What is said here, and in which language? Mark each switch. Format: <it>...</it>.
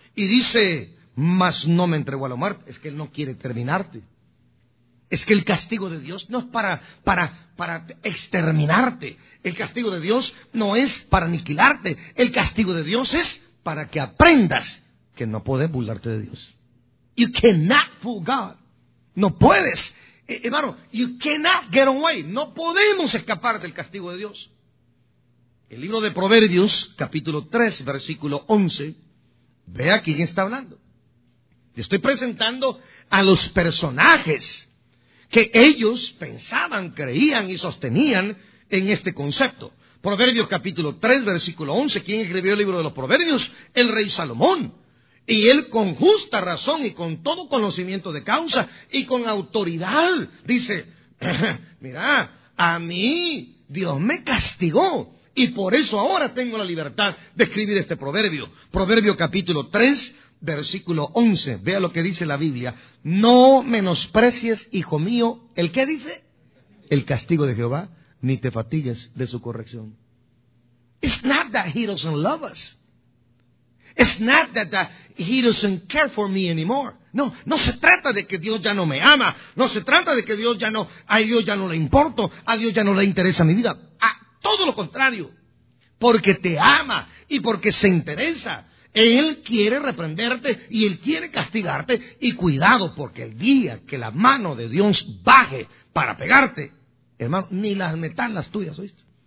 <es>Y dice, mas no me entregó a la muerte. Es que Él no quiere terminarte. Es que el castigo de Dios no es para exterminarte. El castigo de Dios no es para aniquilarte. El castigo de Dios es para que aprendas que no puedes burlarte de Dios.</es> <en>You cannot fool God.</en> <es>No puedes. Hermano,</es> <en>you cannot get away.</en> <es>No podemos escapar del castigo de Dios. El libro de Proverbios, capítulo 3, versículo 11. Vea quién está hablando. Le estoy presentando a los personajes que ellos pensaban, creían y sostenían en este concepto. Proverbios capítulo 3, versículo 11. ¿Quién escribió el libro de los Proverbios? El rey Salomón. Y él con justa razón y con todo conocimiento de causa y con autoridad dice, mira, a mí Dios me castigó. Y por eso ahora tengo la libertad de escribir este proverbio. Proverbios capítulo 3, versículo 11, vea lo que dice la Biblia. No menosprecies, hijo mío, ¿el qué dice? El castigo de Jehová, ni te fatigues de su corrección.</es> <en>It's not that he doesn't love us. It's not that he doesn't care for me anymore.</en> <es>No, no se trata de que Dios ya no me ama. No se trata de que Dios ya no, a Dios ya no le importo. A Dios ya no le interesa mi vida. A todo lo contrario. Porque te ama y porque se interesa. Él quiere reprenderte y Él quiere castigarte. Y cuidado, porque el día que la mano de Dios baje para pegarte, hermano, ni las metas las tuyas, ¿oíste?</es>